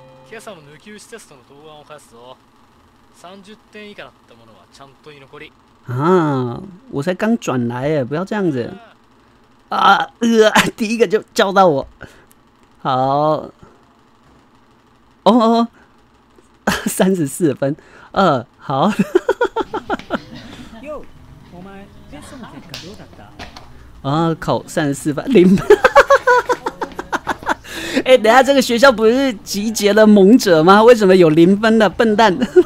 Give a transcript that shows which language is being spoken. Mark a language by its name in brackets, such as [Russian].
[Japanese] 今朝の抜き打ちテストの答案を返すぞ。30点以下だったものはちゃんと居残り。 [Chinese] 啊，我才刚转来耶，不要这样子啊！第一个就叫到我，好，哦，34分，好。 [Japanese] 哟，お前テストの結果どうだった？ [Chinese] 啊，考34分零。哎、欸，等下这个学校不是集结了猛者吗？为什么有零分的笨蛋？